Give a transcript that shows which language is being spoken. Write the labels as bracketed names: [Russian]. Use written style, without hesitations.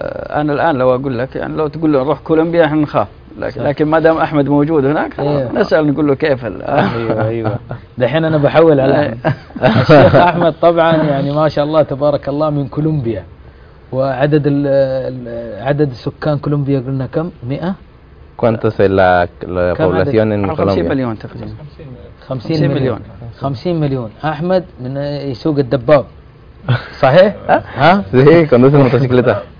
[Arabic] أنا الآن لو أقول لك يعني لو تقول له نروح كولومبيا إحنا نخاف لكن ما دام أحمد موجود هناك نسأل نقول له كيف أيوه دحين أنا بحول على الشيخ أحمد طبعا يعني ما شاء الله تبارك الله من كولومبيا وعدد عدد سكان كولومبيا قلنا كم 100 [Spanish] ¿Cuánto es la población en Colombia? 50 millones. [Arabic] Ahmed, من يسوق الدباب. صحيح؟ ها؟ صحيح, [Spanish] conduce motocicleta.